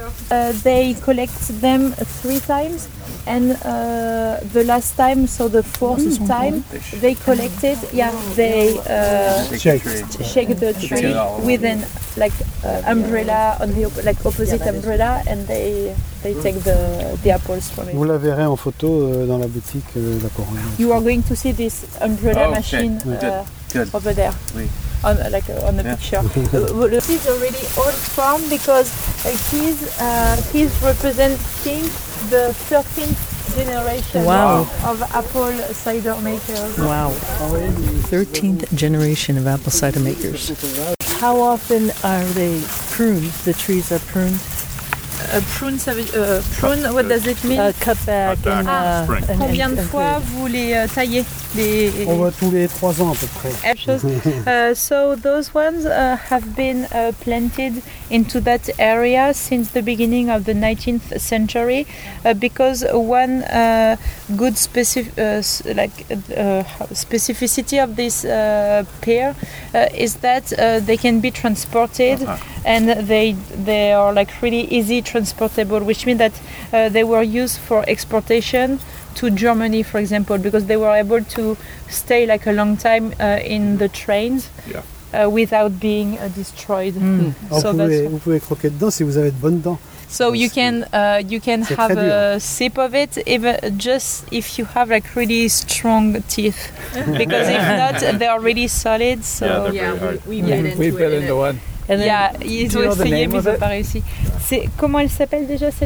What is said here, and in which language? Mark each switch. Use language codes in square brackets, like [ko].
[en] They collect them three times, and the last time, so the fourth time, they collected. Yeah, they shake the tree with an umbrella on the opposite umbrella, and they take the apples from it. [fr] Vous la verrez en photo dans la boutique La Corona. [en] You are going to see this umbrella machine over there. [fr] Oui. [en] On the picture. This is a really old farm because he's representing the 13th generation of apple cider makers. Wow. 13th generation of apple cider makers. How often are they pruned? The trees are pruned? Prune, what does it mean? Cut back. In spring. [fr] Combien de fois vous les taillez? On va tous les 3 ans à peu près. [en] So those ones have been planted into that area since the beginning of the 19th century because one good specificity of this pear is that they can be transported and they are really easy transportable, which means that they were used for exportation to Germany, for example, because they were able to stay a long time in the trains without being destroyed. Mm. Vous pouvez croquer dedans si vous avez de bonnes dents. So you can have a sip of it if you have really strong teeth, because if not, they are really solid. So we bit into one. And then, [fr] ils ont essayé, mais ils n'ont pas réussi. C'est comment elle s'appelle déjà celle-ci?